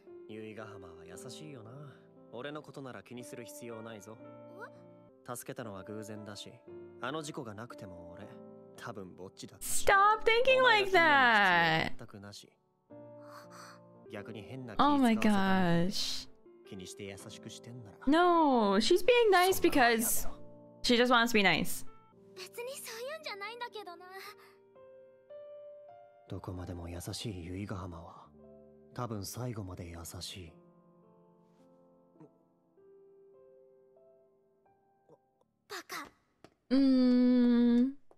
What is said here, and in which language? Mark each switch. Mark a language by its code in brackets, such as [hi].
[ja] 由比ヶ浜は優しいよな。俺のことなら気にする必要ないぞ。助けたのは偶然だし、あの事故がなくても俺多分ぼっちだ。 [en] Stop thinking like that。 [ja] 全くなし。逆に変な気使わせたの。 [en] Oh my gosh。 [ja] 気にして優しくしてんなら。 [en] No, she's being nice because she just wants to be nice。 [ja] 別にそういうんじゃないんだけどな。どこまでも優しい由比ヶ浜は多分最後まで優しい。バカ。うーん。